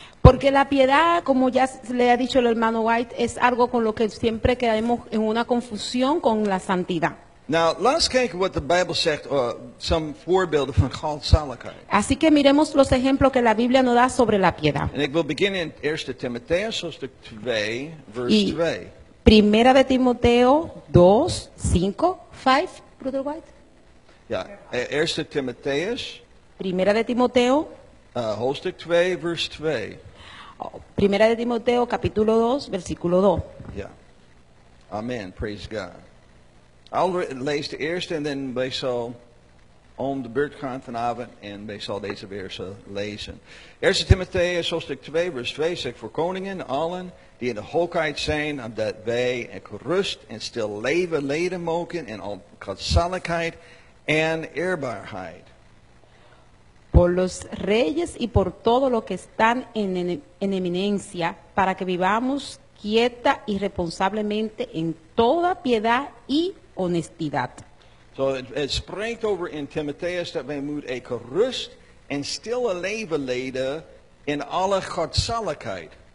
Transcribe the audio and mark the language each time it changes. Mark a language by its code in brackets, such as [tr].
[es] Porque la piedad, como ya le ha dicho el hermano White, es algo con lo que siempre quedamos en una confusión con la santidad. [en] Now, let's take what the Bible said, some [nl] voorbeelden van God's zaligheid. [es] Así que miremos los ejemplos que la Biblia nos da sobre la piedad. [nl] And ik wil beginnen in 1 Timoteo, hoofdstuk 2, vers 2. [es] 1 Timoteo 2, 5, 5, Brother White. [nl] Ja, 1 Timoteo. [es] 1 Timoteo. [nl] Hoofdstuk 2, vers 2. [es] 1 Timoteo, capítulo 2, versículo 2. [nl] Ja. [en] Yeah. Amen, praise God. [nl] Lees de eerste en dan wij zal om de beurt gaan vanavond en wij zal deze versen lezen. 1 Timoteo, hoofdstuk 2, vers 2, zegt voor koningen, allen die in de hoogheid zijn, omdat wij in rust en stil leven leden mogen in al godzaligheid en eerbaarheid. [es] Por los reyes y por todo lo que están en eminencia, para que vivamos quieta y responsablemente en toda piedad y honestidad. [nl] So it spreekt over in Timotheus dat wij moeten een gerust en stille leven leiden in alle godzaligheid.